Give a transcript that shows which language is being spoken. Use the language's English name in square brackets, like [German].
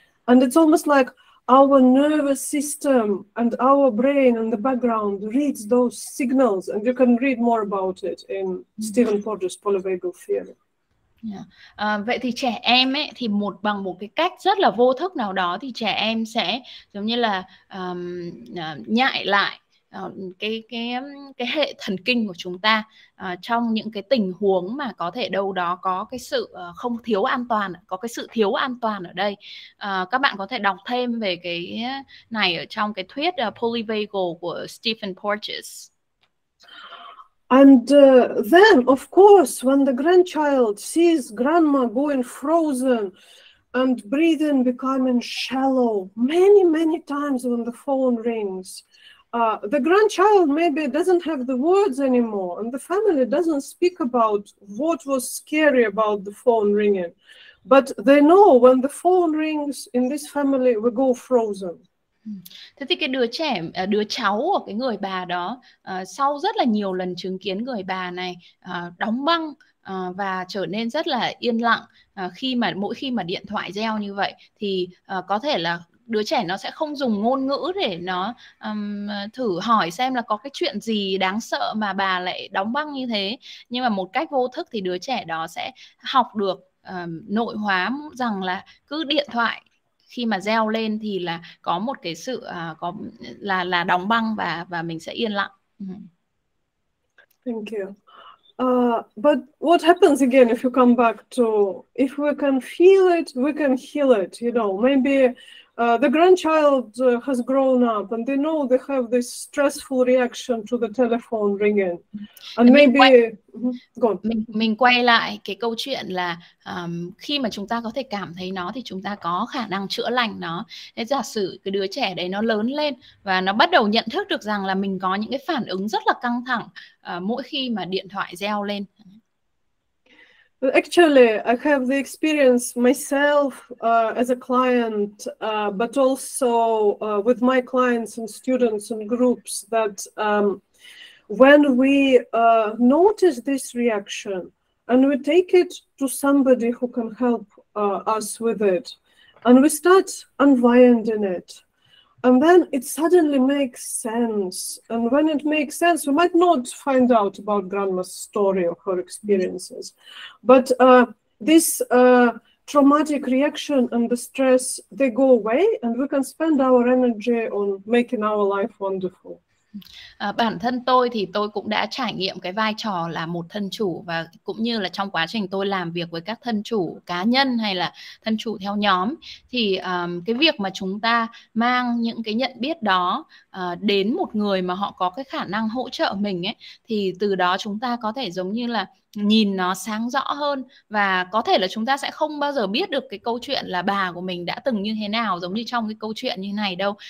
[English] And it's almost like our nervous system and our brain in the background reads those signals, and you can read more about it in Stephen Porges' polyvagal theory. [Vietnamese] Vậy thì trẻ em ấy thì một bằng một cái cách rất là vô thức nào đó thì trẻ em sẽ giống như là nhại lại cái hệ thần kinh của chúng ta trong những cái tình huống mà có thể đâu đó có cái sự không thiếu an toàn, có cái sự thiếu an toàn ở đây. Các bạn có thể đọc thêm về cái này ở trong cái thuyết polyvagal của Stephen Porges. [English] And then, of course, when the grandchild sees grandma going frozen and breathing becoming shallow many, many times when the phone rings, the grandchild maybe doesn't have the words anymore and the family doesn't speak about what was scary about the phone ringing. But they know when the phone rings in this family, we go frozen. [Vietnamese] Thế thì cái đứa trẻ, đứa cháu của cái người bà đó sau rất là nhiều lần chứng kiến người bà này đóng băng và trở nên rất là yên lặng khi mà mỗi khi mà điện thoại reo như vậy thì có thể là đứa trẻ nó sẽ không dùng ngôn ngữ để nó thử hỏi xem là có cái chuyện gì đáng sợ mà bà lại đóng băng như thế. Nhưng mà một cách vô thức thì đứa trẻ đó sẽ học được nội hóa rằng là cứ điện thoại khi mà reo lên thì là có một cái sự có là đóng băng và mình sẽ yên lặng. [English] Thank you. But what happens again if you come back to if we can feel it, we can heal it, you know. Maybe the grandchild has grown up and they know they have this stressful reaction to the telephone ringing. And maybe [Vietnamese] mình quay lại cái câu chuyện là khi mà chúng ta có thể cảm thấy nó thì chúng ta có khả năng chữa lành nó. Thế giả sử cái đứa trẻ đấy nó lớn lên và nó bắt đầu nhận thức được rằng là mình có những cái phản ứng rất là căng thẳng mỗi khi mà điện thoại reo lên. [English] Actually, I have the experience myself as a client, but also with my clients and students and groups that when we notice this reaction and we take it to somebody who can help us with it, and we start unwinding it, and then it suddenly makes sense. And when it makes sense, we might not find out about grandma's story or her experiences, but this traumatic reaction and the stress, they go away, and we can spend our energy on making our life wonderful. [Vietnamese] Bản thân tôi thì tôi cũng đã trải nghiệm cái vai trò là một thân chủ, và cũng như là trong quá trình tôi làm việc với các thân chủ cá nhân hay là thân chủ theo nhóm, thì cái việc mà chúng ta mang những cái nhận biết đó đến một người mà họ có cái khả năng hỗ trợ mình ấy, thì từ đó chúng ta có thể giống như là nhìn nó sáng rõ hơn, và có thể là chúng ta sẽ không bao giờ biết được cái câu chuyện là bà của mình đã từng như thế nào giống như trong cái câu chuyện như này đâu.